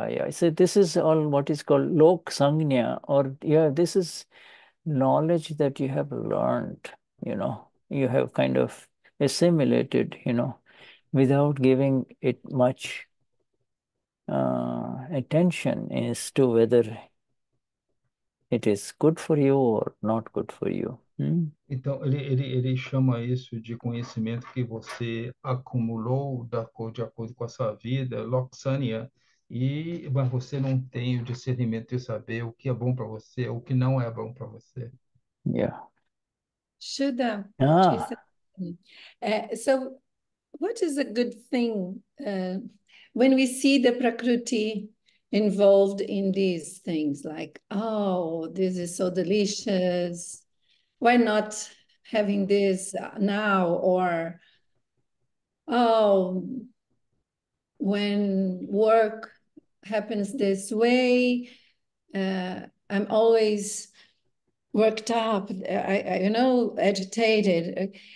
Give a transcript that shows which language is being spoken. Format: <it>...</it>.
<en>I said, this is all what is called lok sangnya, or, yeah, this is knowledge that you have learned, you know, you have kind of assimilated, you know, without giving it much. Attention is to whether it is good for you or not good for you.</en> <pt>Então, ele chama isso de conhecimento que você acumulou de acordo com a sua vida, Loxania, mas você não tem o discernimento de saber o que é bom para você, o que não é bom para você.</pt> <en>Yeah. Shuda. Ah. So, what is a good thing when we see the Prakriti involved in these things, like, oh, this is so delicious. Why not having this now? Or, oh, when work happens this way, I'm always worked up, I agitated.</en>